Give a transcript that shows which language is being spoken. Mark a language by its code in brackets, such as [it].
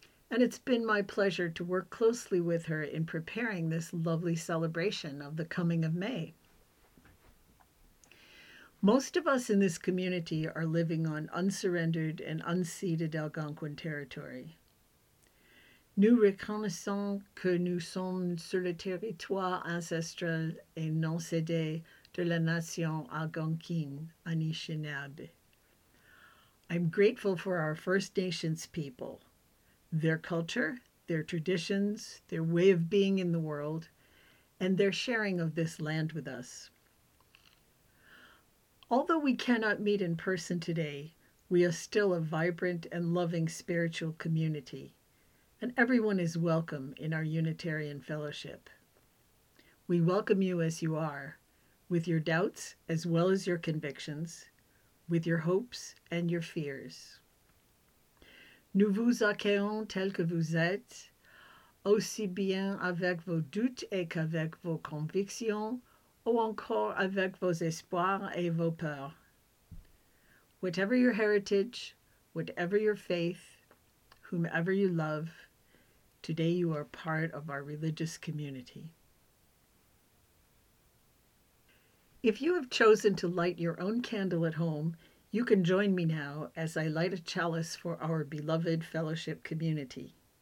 [en] And it's been my pleasure to work closely with her in preparing this lovely celebration of the coming of May. Most of us in this community are living on unsurrendered and unceded Algonquin territory. [fr] Nous reconnaissons que nous sommes sur le territoire ancestral et non cédé de la nation Algonquine, Anishinaabe. [en] I'm grateful for our First Nations people, their culture, their traditions, their way of being in the world, and their sharing of this land with us. Although we cannot meet in person today, we are still a vibrant and loving spiritual community, and everyone is welcome in our Unitarian Fellowship. We welcome you as you are, with your doubts as well as your convictions, with your hopes and your fears. [fr] Nous vous accueillons tel que vous êtes, aussi bien avec vos doutes et qu'avec vos convictions, ou encore avec vos espoirs et vos peurs. [en] Whatever your heritage, whatever your faith, whomever you love, today you are part of our religious community. If you have chosen to light your own candle at home, you can join me now as I light a chalice for our beloved fellowship community.